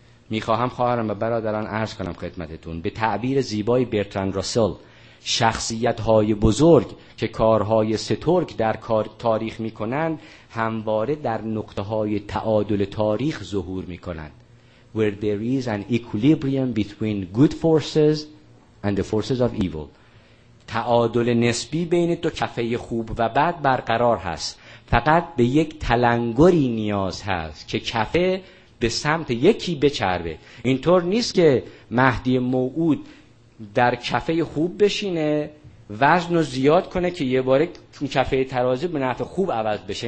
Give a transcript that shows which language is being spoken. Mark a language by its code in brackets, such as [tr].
[fa] می خواهم خواهرم و برادران عرض کنم خدمتتون، به تعبیر زیبای برتراند راسل، شخصیت های بزرگ که کارهای سترگ در تاریخ می کنند همواره در نقطه های تعادل تاریخ ظهور می کنند. [en] Where there is an equilibrium between good forces and the forces of evil. [fa] تعادل نسبی بین دو کفه خوب و بد برقرار هست. فقط به یک تلنگری نیاز هست که کفه به سمت یکی بچربه. اینطور نیست که مهدی موعود در کفه خوب بشینه، وزن رو زیاد کنه که یه باره کفه ترازی به نفع خوب عوض بشه.